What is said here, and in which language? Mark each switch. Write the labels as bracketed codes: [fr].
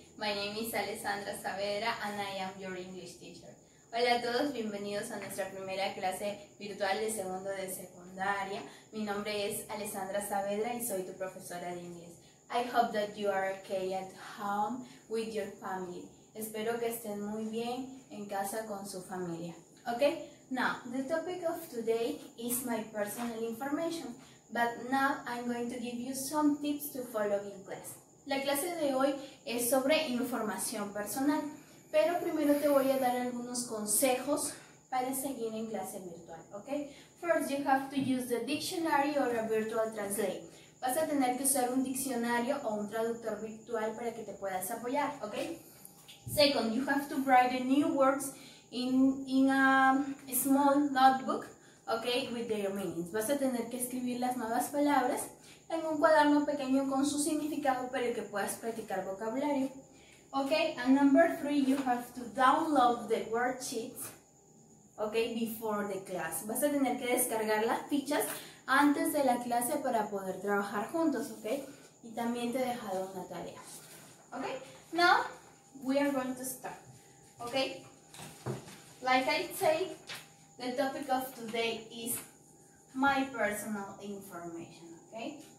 [en] My name is Alessandra Saavedra and I am your English teacher. [es] Hola a todos, bienvenidos a nuestra primera clase virtual de segundo de secundaria. Mi nombre es Alessandra Saavedra y soy tu profesora de inglés. [en] I hope that you are okay at home with your family. [es] Espero que estén muy bien en casa con su familia. [en] Okay, now the topic of today is my personal information. But now I'm going to give you some tips to follow in class. [es] La clase de hoy es sobre información personal, pero primero te voy a dar algunos consejos para seguir en clase virtual, ¿ok? [en] First, you have to use the dictionary or a virtual translate. [es] Vas a tener que usar un diccionario o un traductor virtual para que te puedas apoyar, ¿ok? [en] Second, you have to write the new words in a small notebook. Ok, with their meanings. [es] Vas a tener que escribir las nuevas palabras en un cuaderno pequeño con su significado para que puedas practicar vocabulario. [en] Ok, and number three, you have to download the worksheets, ok, before the class. [es] Vas a tener que descargar las fichas antes de la clase para poder trabajar juntos, ok. Y también te he dejado una tarea. [en] Ok, now we are going to start. Ok, like I say, the topic of today is my personal information, okay?